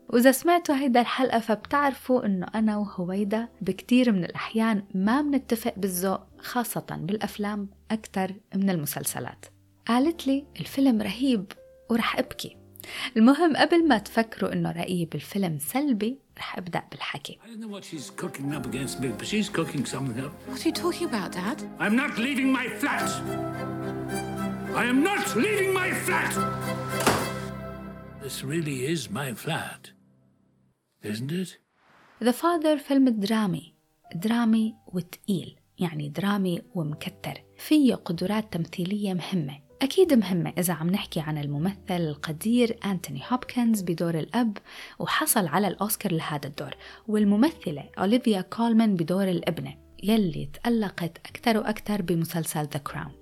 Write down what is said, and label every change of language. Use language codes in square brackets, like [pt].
[ar] وإذا سمعتوا هيدا الحلقة فبتعرفوا إنه أنا وهويدا بكتير من الأحيان ما منتفق بالذوق، خاصة بالأفلام أكتر من المسلسلات. قالت لي الفيلم رهيب ورح أبكي. المهم قبل ما تفكروا إنه رأيي بالفيلم سلبي، رح أبدأ بالحكي. [en] I don't know what she's cooking up against me, but she's cooking something up. What are you talking about, Dad? I'm not leaving my flat. I am not leaving my flat. This really is my flat, isn't it? [ar] The Father فيلم درامي، درامي وتقيل، يعني درامي ومكتر، فيه قدرات تمثيلية مهمة. أكيد مهمة إذا عم نحكي عن الممثل القدير أنتوني هوبكنز بدور الأب، وحصل على الأوسكار لهذا الدور، والممثلة أوليفيا كولمان بدور الإبنة يلي تألقت أكثر وأكثر بمسلسل The Crown.